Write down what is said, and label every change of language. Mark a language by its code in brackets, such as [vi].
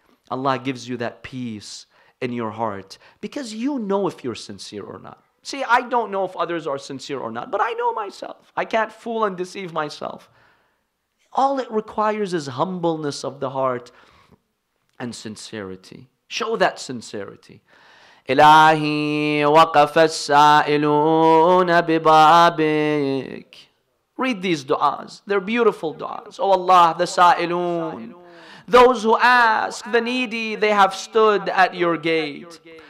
[en] Allah gives you that peace in your heart because you know if you're sincere or not. See, I don't know if others are sincere or not, but I know myself. I can't fool and deceive myself. All it requires is humbleness of the heart and sincerity. Show that sincerity. [ar] إلهي وقف السائلون ببابك. [en] Read these du'as. They're beautiful du'as. Oh Allah, the sa'ilun. Those who ask, the needy, they have stood at your gate.